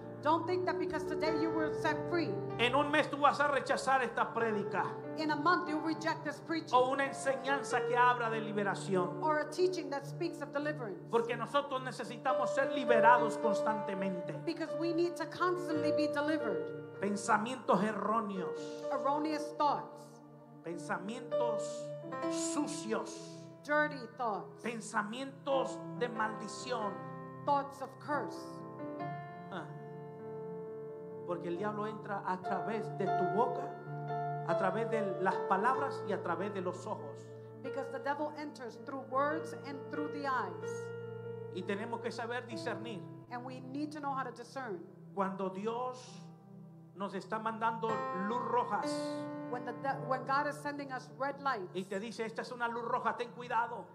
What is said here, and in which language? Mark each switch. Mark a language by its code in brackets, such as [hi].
[en] Don't think that because today you were set free. [es] En un mes tú vas a rechazar esta prédica. [en] In a month you reject this preaching. [es] O una enseñanza que habla de liberación. [en] Or a teaching that speaks of deliverance. [es] Porque nosotros necesitamos ser liberados constantemente. [en] Because we need to constantly be delivered. [es] Pensamientos erróneos. [en] Erroneous thoughts. [es] Pensamientos sucios. [en] Dirty thoughts. [es] Pensamientos de maldición. [en] Thoughts of curse. [es] Porque el diablo entra a través de tu boca, a través de las palabras y a través de los ojos. [en] Because the devil enters through words and through the eyes. [es] Y tenemos que saber discernir. [en] And we need to know how to discern. [es] Cuando Dios nos está mandando luz rojas. [en] When God is sending us red lights. [es] Y te dice, esta es una luz roja, ten cuidado.